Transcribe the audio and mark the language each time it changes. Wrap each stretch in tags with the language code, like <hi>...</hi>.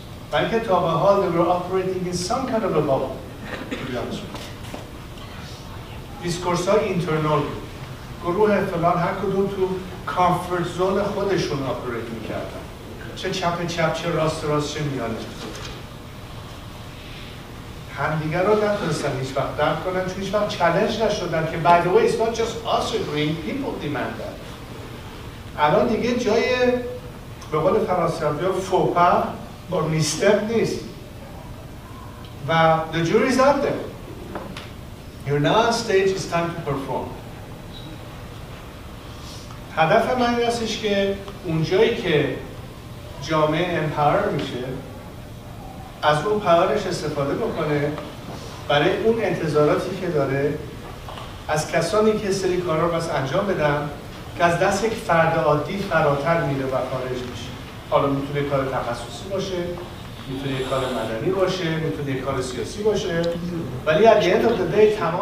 <fa>بلکه تا به حال</fa> <en>they were operating in some kind of a bubble, to be honest with you.</en> <fa>Discourse های internal بود. گروه فلان هر کدوم تو comfort zone خودشون operate میکردن. چه چپ چپ، چه راست راست، چه میانه. همدیگر را نتونستن هیچ وقت درک کنن چون هیچ وقت چالش نشدن که</fa> <en>by the way it's not just us agreeing, people demand that.</en> <fa>الان دیگه جای به قول فرانسوی ها فوپا با نیستم نیست و</fa> <en>the jury is out there. You're now on stage, it's time to perform.</en> <fa>هدف من این هستش که اونجایی که جامعه empower میشه از اون پاورش استفاده بکنه برای اون انتظاراتی که داره از کسانی که سری کارا رو بس انجام بدن که از دست یک فرد عادی فراتر میره و خارج میشه حالا میتونه کار تخصصی باشه میتونه کار مدنی باشه میتونه کار سیاسی باشه ولی</fa> <en>at the end of the day</en> <fa>تمام</fa>